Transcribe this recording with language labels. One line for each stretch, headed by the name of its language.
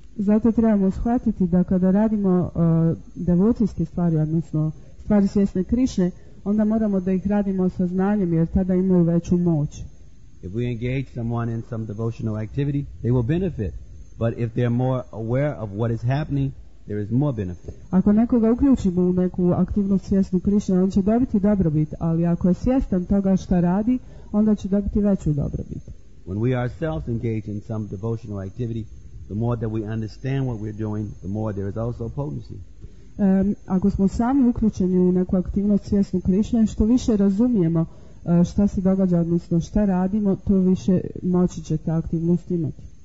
Croatian: Zato trebamo shvatiti da kada radimo devocijske stvari, odnosno stvari svjesne Krišne, onda moramo da ih radimo sa znanjem, jer tada imaju veću moć.
English: If we engage someone in some devotional activity, they will benefit. But if they are more aware of what is happening, there is more benefit.
Croatian: Ako nekoga uključimo u neku aktivnost svjesnu Krišne, on će dobiti dobrobit, ali ako je svjestan toga što radi, onda će dobiti veću dobrobit.
English: When we ourselves engage in some devotional activity, the more that we understand what we're doing, the more there is also potency.
Croatian: Ako smo sami uključeni u neku aktivnost svjesnu Krišne, što više razumijemo šta se događa, odnosno šta radimo, to više moći će ta aktivnost imati.